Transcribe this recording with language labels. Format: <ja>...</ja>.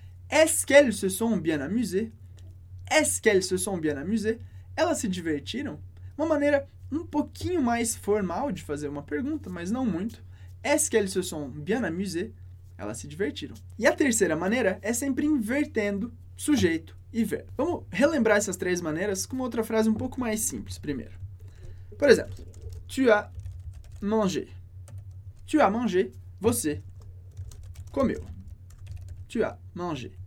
<fr>Est-ce qu'elles se sont bien amusées? Est-ce qu'elles se sont bien amusées?</fr> <pt>Elas se divertiram? Uma maneira um pouquinho mais formal de fazer uma pergunta, mas não muito.</pt> <fr>Est-ce qu'elles se sont bien amusées?</fr> <pt>Elas se divertiram. E a terceira maneira é sempre invertendo sujeito e verbo. Vamos relembrar essas três maneiras com uma outra frase um pouco mais simples primeiro. Por exemplo,</pt> <fr>tu as mangé. Tu as mangé,</fr> <pt>você comeu.</pt> <fr>Tu as mangé.</fr>